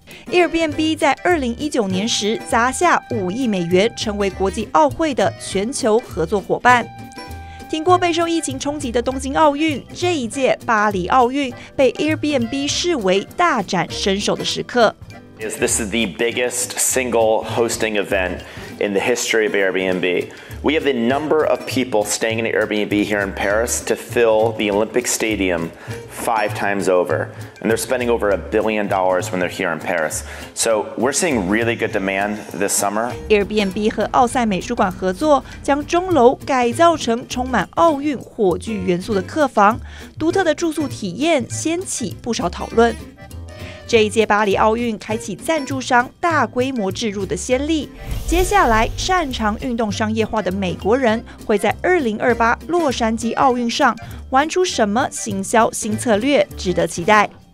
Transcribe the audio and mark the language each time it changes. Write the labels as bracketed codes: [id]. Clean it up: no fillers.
[zh] Airbnb 在2019年时砸下$5亿，成为国际奥会的全球合作伙伴。挺过备受疫情冲击的东京奥运，这一届巴黎奥运被 Airbnb 视为大展身手的时刻。 [en] This is the biggest single hosting event in the history of Airbnb. We have the number of people staying in an Airbnb here in Paris to fill the Olympic Stadium 5 times over. And they're spending over $1 billion when they're here in Paris. So we're seeing really good demand this summer. [zh] Airbnb 和奥赛美术馆合作，将钟楼改造成充满奥运火炬元素的客房，独特的住宿体验掀起不少讨论。这一届巴黎奥运开启赞助商大规模置入的先例，接下来擅长运动商业化的美国人会在2028洛杉矶奥运上玩出什么行销新策略，值得期待。